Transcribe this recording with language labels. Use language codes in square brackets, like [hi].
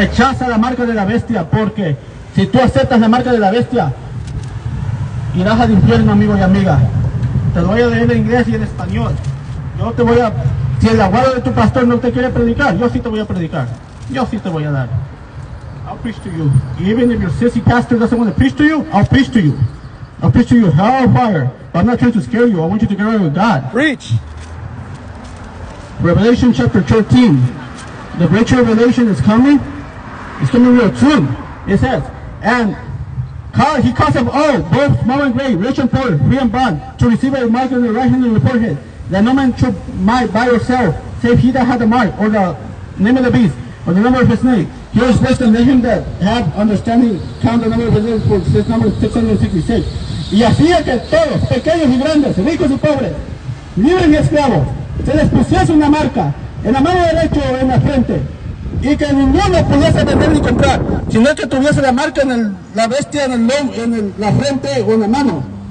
[es] Rechaza la marca de la bestia, porque si tú aceptas la marca de la bestia, irás al infierno, amigo y amiga. Te lo voy a leer en inglés y en español. Yo te voy a... Si el aguado de tu pastor no te quiere predicar, yo sí te voy a predicar. Yo sí te voy a dar. [en] I'll preach to you. Even if your sissy pastor doesn't want to preach to you, I'll preach to you. I'll preach to you hell and fire. But I'm not trying to scare you. I want you to get right with God. Preach. Revelation chapter 13. The great revelation is coming. It's coming real soon. It says, and... He calls them all, both small and great, rich and poor, free and bond, to receive a mark in the right hand and the forehead, that no man should buy by yourself, save he that had the mark, or the name of the beast, or the number of his name. He was supposed to let him that have understanding count the number of his name, for this number is 666. [es] Y hacía que todos, pequeños y grandes, ricos y pobres, libres y esclavos, se les pusiese una marca en la mano derecha o en la frente, y que ninguno pudiese vender ni comprar, sino que tuviese la marca en la bestia, en la frente o en la mano.